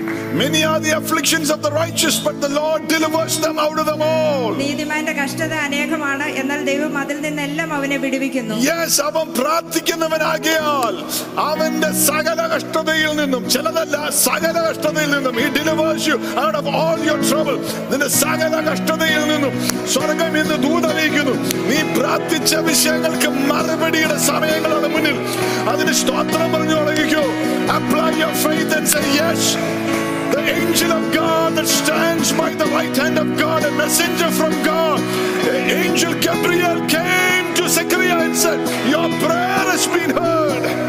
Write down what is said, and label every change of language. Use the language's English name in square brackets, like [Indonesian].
[English] Many are the afflictions of the righteous, but the Lord delivers them out of them all. [Malayalam] നീതിമാന്റെ കഷ്ടത അനേകമാണ്, എന്നാൽ ദൈവം അതിൽ നിന്നെല്ലാം അവനെ വിടുവിക്കുന്നു. Yes, അവൻ പ്രാർത്ഥിക്കുന്നവനാകയാൽ അവന്റെ സകല കഷ്ടതയിൽ നിന്നും, ചിലതല്ല സകല കഷ്ടതയിൽ നിന്നും, [English] he delivers you out of all your trouble. [Malayalam] നിന്റെ സകല കഷ്ടതയിൽ നിന്നും സ്വർഗ്ഗം ഇന്ന് ദൂതറിയിക്കുന്നു. നീ പ്രാർത്ഥിച്ച വിഷയങ്ങൾക്ക് മറുപടിയുടെ സമയങ്ങളാണ് മുന്നിൽ. അതിന് സ്തോത്രം പറഞ്ഞു തുടങ്ങിക്കോ. [English] Apply your faith and say yes. The angel of God that stands by the right hand of God, a messenger from God, the angel Gabriel came to Zechariah and said, your prayer has been heard.